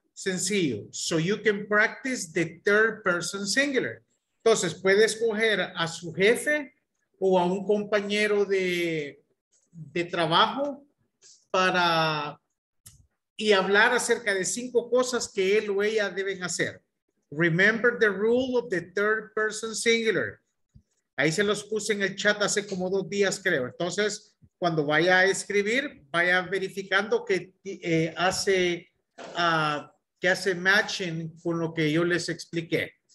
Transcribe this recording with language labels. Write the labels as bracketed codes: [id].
[en] Sencillo, so you can practice the third person singular. [es] Entonces, puede escoger a su jefe o a un compañero de trabajo para... y hablar acerca de 5 cosas que él o ella deben hacer. [en] Remember the rule of the third person singular. [es] Ahí se los puse en el chat hace como 2 días, creo. Entonces, cuando vaya a escribir, vaya verificando que hace matching con lo que yo les expliqué.